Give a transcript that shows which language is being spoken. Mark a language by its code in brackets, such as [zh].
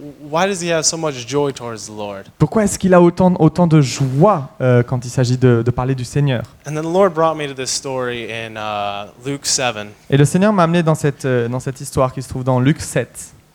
[en] Why does he have so much joy towards the Lord? [fr] Pourquoi est-ce qu'il a autant de joie quand il s'agit de parler du Seigneur? [en] And then the Lord brought me to this story in Luke 7. [fr] Et le Seigneur m'a amené dans cette histoire qui se trouve dans Luc 7.